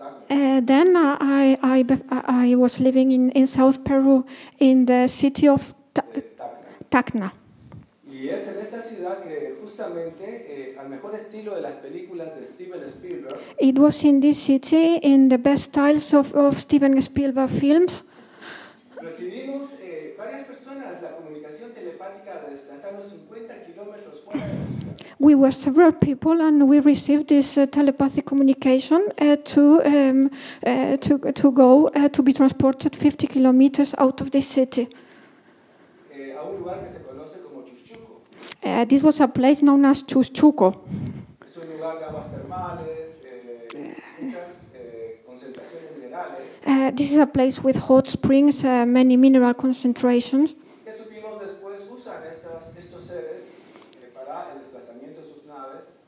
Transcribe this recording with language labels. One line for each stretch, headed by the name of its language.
English: Then I was living in South Peru, in the city of Tacna.
Spanish: Y es en esta ciudad que justamente, al mejor estilo de las películas de Steven Spielberg.
English: It was in this city, in the best styles of Steven Spielberg films.
Spanish: Recibimos varias personas la comunicación telepática de desplazarnos 50 kilómetros fuera de la ciudad.
English: We were several people, and we received this telepathic communication to be transported 50 kilometers out of this city.
Spanish: A un lugar que se conoce como Chuschuco.
English: This was a place known as Chuschuco.
Spanish: Es un lugar de aguas termales, muchas concentraciones minerales.
English: This is a place with hot springs, many mineral concentrations.
Spanish: Después usan estos seres para el desplazamiento de sus naves.